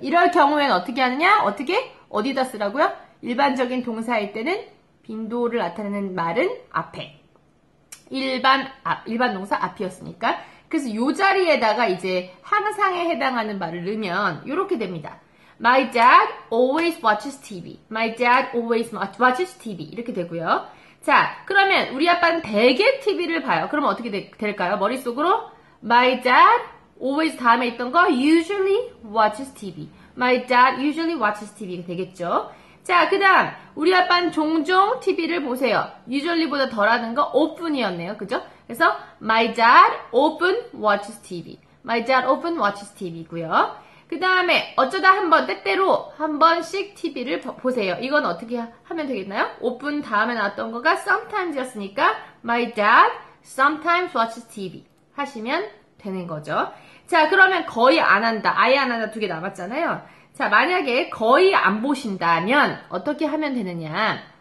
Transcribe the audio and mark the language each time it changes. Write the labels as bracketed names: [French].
[Korean] 이럴 경우에는 어떻게 하느냐? 어떻게? 어디다 쓰라고요? 일반적인 동사일 때는 빈도를 나타내는 말은 앞에. 일반 동사 앞이었으니까. 그래서 요 자리에다가 이제 항상에 해당하는 말을 넣으면 이렇게 됩니다. [English] My dad always watches TV. My dad always watches TV. [Korean] 이렇게 되고요. 자, 그러면 우리 아빠는 대개 TV를 봐요. 그럼 어떻게 될까요? 머릿속으로 [English] My dad always [Korean] 다음에 있던 거 [English] usually watches TV. My dad usually watches TV [Korean] 되겠죠. 자, 그 다음 우리 아빠는 종종 TV를 보세요. usually보다 덜하는 거 often이었네요. 그죠? 그래서 [English] my dad often watches TV. My dad often watches TV고요. [Korean] 그 다음에 어쩌다 한번 때때로 한번씩 TV를 보세요. 이건 어떻게 하면 되겠나요? often 다음에 나왔던 거가 sometimes였으니까 [English] my dad sometimes watches TV [Korean] 하시면 되는 거죠. 자, 그러면 거의 안 한다. 아예 안 한다 두 개 남았잖아요. 자, 만약에 거의 안 보신다면 어떻게 하면 되느냐.